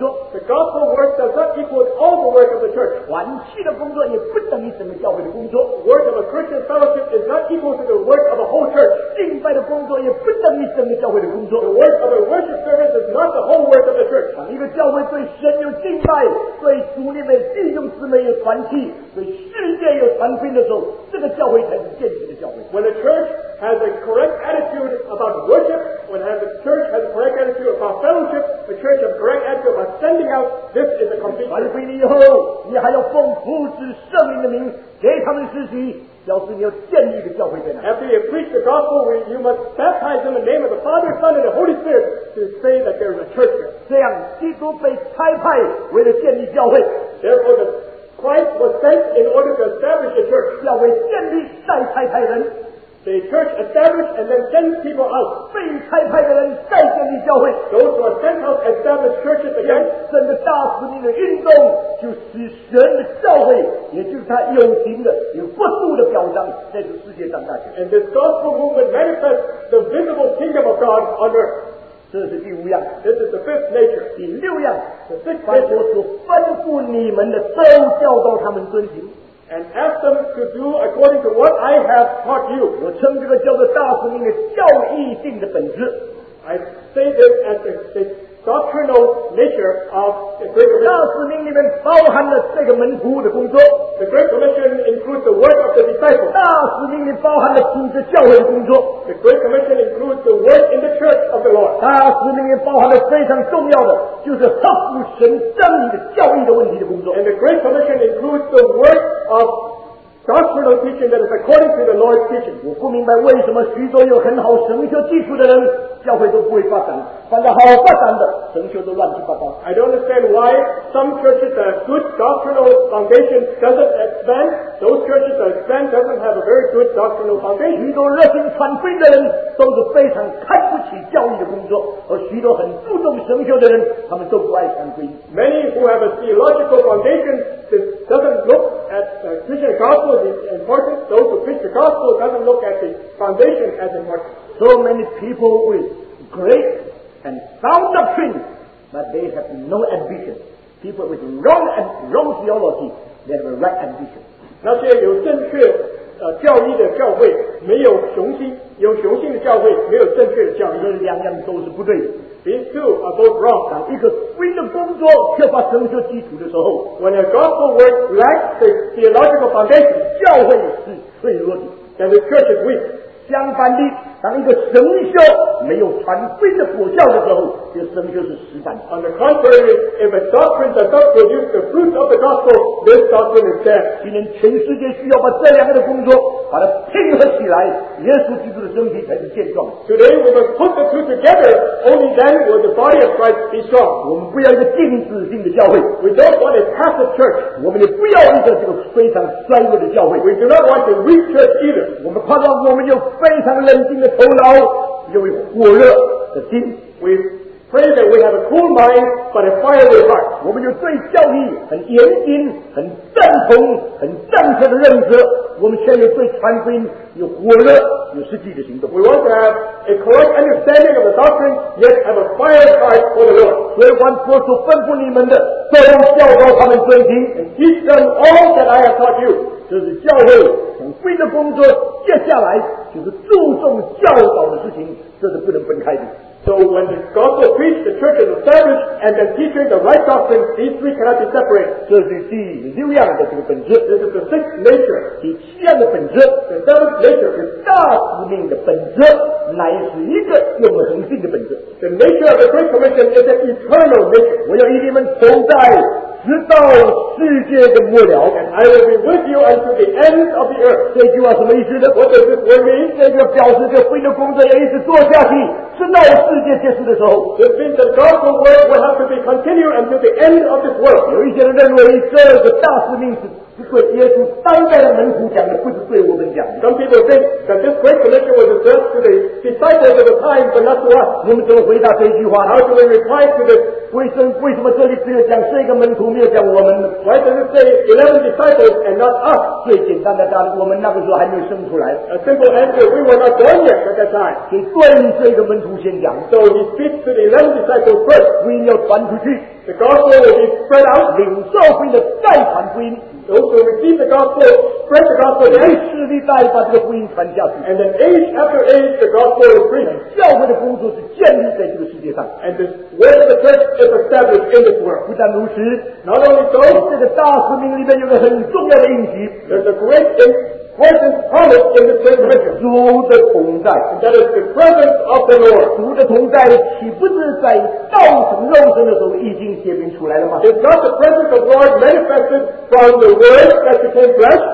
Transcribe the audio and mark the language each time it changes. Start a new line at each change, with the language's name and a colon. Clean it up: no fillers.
English: The gospel work does not equal all the work of the church.
Chinese: 团契的工作也不等于整个教会的工作。
English: Work of a Christian fellowship is not equal to the work of a whole church.
Chinese: 敬拜的工作也不等于整个教会的工作。
English: The work of a worship service is not the whole work of the church.
Chinese: 一个教会对神有敬拜，对主里面弟兄姊妹有团契，对世界有传福音的时候，这个教会才是健全的教会。
English: When a church has a correct attitude about worship, when a church has a correct attitude about fellowship, the church has a correct attitude about sending out, this is a complete
Chinese: 传福音以后，你还要奉父子圣灵的名给他们施洗，表示你要建立的教会在哪？
English: After you preach the gospel, you must baptize them in the name of the Father, Son, and the Holy Spirit to say that there is a church there.
Chinese: 这样，基督被差派为了建立教会。
English: Therefore, the Christ was sent in order to establish a church.
Chinese: 教会建立再差派人。
English: The church established and then sends people out.
Chinese: 被差派的人再建立教会。
English: Those who are sent out establish churches again.
Chinese: 整个大使命的运动就是神的教会，也就是他有形的、有不速的表彰在这个世界上大显。
English: And this gospel movement manifests the visible kingdom of God on earth.
Chinese: 这是第五样。
English: This is the fifth nature.
Chinese: 第六样。
English: The sixth nature.
Chinese: 凡我所吩咐你们的，都教导他们遵行。
English: And ask them to do according to what I have taught you.
Chinese: 我称这个叫做大使命的教义性的本质。
English: I say this as the doctrinal nature of the Great Commission.
Chinese: 大使命里面包含了这个门徒的工作。
English: The Great Commission includes the work of the disciples.
Chinese: 大使命里包含了组织教会的工作。
English: The Great Commission includes the work in the church of the Lord.
Chinese: 大使命里包含了非常重要的，就是合乎神真理的教义的问题的工作。
English: And the Great Commission includes the work of doctrinal teaching that is according to the Lord's teaching.
Chinese: 我不明白为什么许多有很好神学基础的人，教会都不会发展，反正好发展的神学都乱七八糟。
English: I don't understand why some churches that have good doctrinal foundation doesn't expand. Those churches that expand doesn't have a very good doctrinal foundation. 许多热心传福音的人都是非常看不起教育的工作，而许多很注重神学的人，他们都不爱传福音。 Many who have a theological foundation doesn't look at preaching the gospel as important. Those who preach the gospel doesn't look at the foundation as important. So many people with great and sound doctrine, but they have no ambition. People with wrong theology, they have a right ambition.
Chinese: 那些有正确教义的教会没有雄心，有雄心的教会没有正确的教义，这两样都是不对的。
English: These two are both wrong.
Chinese: 当一个福音的工作缺乏神学基础的时候
English: ，When a gospel work lacks the theological foundation,
Chinese: 教会是脆弱的
English: ，Then the church is weak.
Chinese: 相反的，当一个神学没有传福音的果效的时候，这神学是失败。
English: On the contrary, if a doctrine does not produce the fruit of the gospel, this doctrine is dead.
Chinese: 今天全世界需要把这两个的工作把它拼合起来，耶稣基督的身体才是健壮。
English: Today we must put the two together. Only then will the body of Christ be strong.
Chinese: 我们不要一个静止性的教会。
English: We don't want a passive church.
Chinese: 我们也不要一个这个非常衰弱的教会。
English: We do not want a weak church either.
Chinese: 我们盼望我们有非常冷静的头脑，有火热的心。
English: We pray that we have a cool mind, but a fiery heart.
Chinese: 我们有对教义很严谨、很赞同、很正确的认知。我们现在有对传福音有火热、有实际的行动。
English: We want to have a correct understanding of the doctrine, yet have a fiery heart for the Lord.
Chinese: 所以，凡所说吩咐你们的，都教导他们遵行。
English: And teach them all that I have taught you.
Chinese: 这是教会从福音的工作，接下来就是注重教导的事情，这是不能分开的。
English: So when the gospel is preached, the church is established, and the teacher the right doctrine, these three cannot be separated.
Chinese: 这是第六样的这个本质。
English: This is the sixth nature.
Chinese: 第七样的本质。
English: The seventh nature is
Chinese: 大使命的本质，乃是一个永恒性的本质。
English: The nature of the Great Commission is an eternal nature.
Chinese: 我要与你们同在，直到世界的末了。
English: And I will be with you until the end of the earth.
Chinese: 这句话什么意思呢？我只是为民，这就表示这福音的工作要一直做下去。直到世界结束的时候
English: This means that gospel work will have to be continued until the end of this world.
Chinese: 有一些人认为这个大使命是对耶稣当代的门徒讲的，不是对我们讲的。
English: Some people think that this great commission was addressed to the disciples of the time, but not to us.
Chinese: 我们怎么回答这句话呢？
English: How do we reply to this?
Chinese: 为什么这里只有讲这个门徒，没有讲我们呢？
English: Why does it say 11 disciples and not us?
Chinese: 最简单的答案，我们那个时候还没有生出来。
English: A simple answer, we were not born yet at that time.
Chinese: 所以对于这个门徒先讲。
English: So he speaks to the 11 disciples first.
Chinese: 福音要传出去。
English: The gospel will be spread out.
Chinese: 领受福音的再传福音。
English: Those who receive the gospel, spread the gospel again.
Chinese: 世世代代把这个福音传下去。
English: And then age after age, the gospel is preached.
Chinese: 教会的工作是建立在这个世界上。
English: And the word of the church is established in this world.
Chinese: 不但如此
English: ，Not only so.
Chinese: 这个大使命里面有个很重要的印记。
English: There's a great important promise in this commission.
Chinese: 主的同在。
English: And that is the presence of the Lord.
Chinese: 主的同在岂不是在道成肉身的时候已经显明出来了吗
English: ？Is not the presence of God manifested from the Word that became flesh?